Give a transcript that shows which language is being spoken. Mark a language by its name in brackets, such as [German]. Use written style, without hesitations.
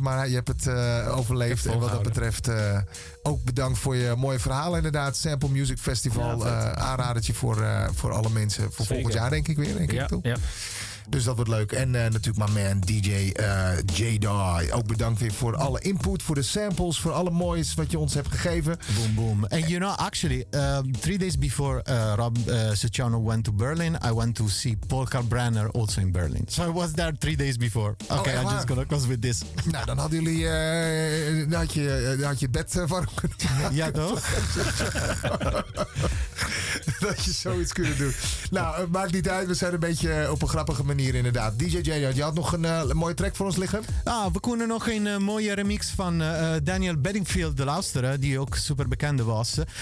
[Dutch] Maar je hebt het overleefd. En wat dat betreft ook bedankt voor je mooie verhalen inderdaad. Sample Music Festival. Ja, aanradertje voor alle mensen. Voor zeker. Volgend jaar denk ik weer. Denk ja, ik toe. Ja. Dus dat wordt leuk. En natuurlijk mijn man DJ J-Dai. Ook bedankt weer voor alle input, voor de samples, voor alle moois wat je ons hebt gegeven. Boom, boom. [English] And you know, actually, 3 days before Rob Sechono went to Berlin, I went to see Paul Kalkbrenner also in Berlin. So I was there 3 days before. Okay, oh, I'm just gonna close with this. [Dutch] Nou, dan hadden jullie had je het bed warm kunnen maken. Ja, toch? Dat je zoiets kunnen doen. Nou, het maakt niet uit. We zijn een beetje op een grappige manier inderdaad. DJ J.J., je had nog een mooie track voor ons liggen? Ah, we konden nog een mooie remix van Daniel Bedingfield luisteren, die ook super bekend was.